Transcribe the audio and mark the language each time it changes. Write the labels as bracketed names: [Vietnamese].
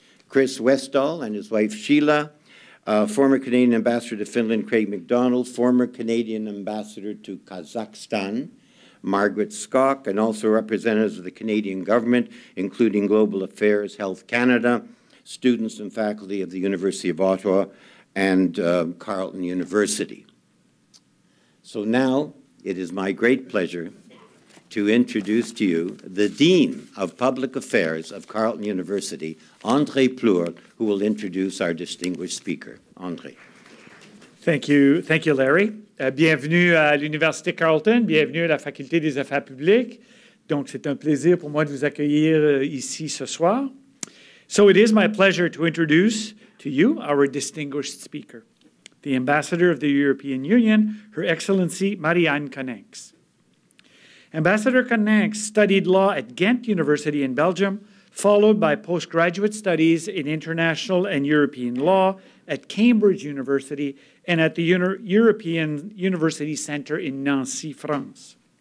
[English] Chris Westall and his wife, Sheila, former Canadian ambassador to Finland, Craig McDonald, former Canadian ambassador to Kazakhstan, Margaret Scott, and also representatives of the Canadian government, including Global Affairs, Health Canada, students and faculty of the University of Ottawa and Carleton University. So now it is my great pleasure to introduce to you the Dean of Public Affairs of Carleton University, André Plourde, who will introduce our distinguished speaker. André. Thank you, Larry. [French] Bienvenue à l'Université Carleton, bienvenue à la Faculté des Affaires publiques. Donc, c'est un plaisir pour moi de vous accueillir ici ce soir. [English] So it is my pleasure to introduce to you our distinguished speaker, the Ambassador of the European Union, Her Excellency Marie-Anne Cosinsx. Ambassador Cosinsx studied law at Ghent University in Belgium, followed by postgraduate studies in international and European law at Cambridge University and at the European University Center in Nancy, France.